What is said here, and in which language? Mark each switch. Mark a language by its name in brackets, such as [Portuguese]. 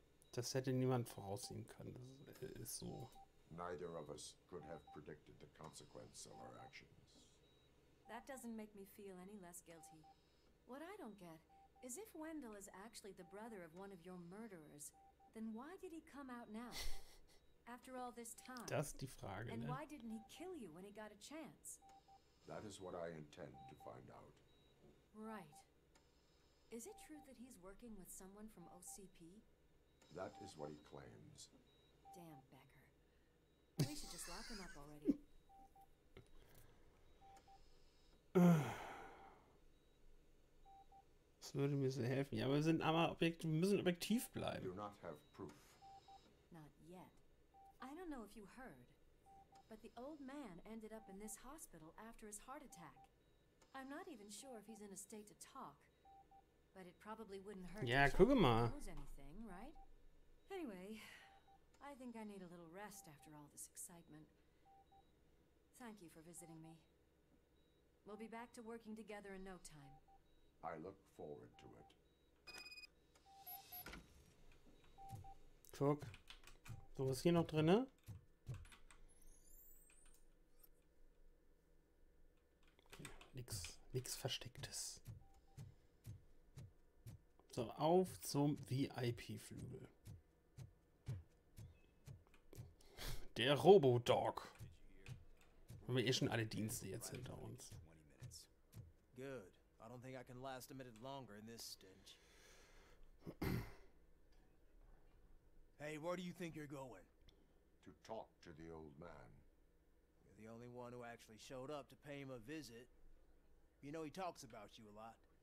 [German] Das hätte niemand voraussehen können. Das ist so. [English] Neither of us could have predicted the consequence of our actions. That doesn't make me feel any less guilty. What I don't get is if Wendell is actually the brother of one of your murderers, then why did he come out now? After all this time? [German] Das ist die Frage, [English] and [German] ne? [English] Why didn't he kill you when he got a chance? That is what I intend to find out. Right. Is it true that he's working with someone from OCP? That is what he claims. Damn, Beck. We should just lock him up already. [German] Das würde mir so helfen. Ja, wir sind aber objektiv, wir müssen objektiv bleiben. [English] Do not have proof. Not yet. I don't know if you heard, but the old man ended up in this hospital after his heart attack. I'm not even sure if he's in a state to talk, but it probably wouldn't hurt. [German] Ja, guck mal. [English] Knows anything, right? Anyway, I think I need a little rest after all this excitement. Thank you for visiting me. We'll be back to working together in no time. I look forward to it. [German] Guck. So, was hier noch drin, ne? Okay, nix Verstecktes. So, auf zum VIP-Flügel. Der Robo-Dog. Haben wir eh schon alle Dienste jetzt hinter uns. [English] Good. I don't think I can last a minute longer in this stench. Hey, where do you think you're going? to talk to the old man. You're the only one who actually showed up to pay him a visit. You know he talks about you a lot.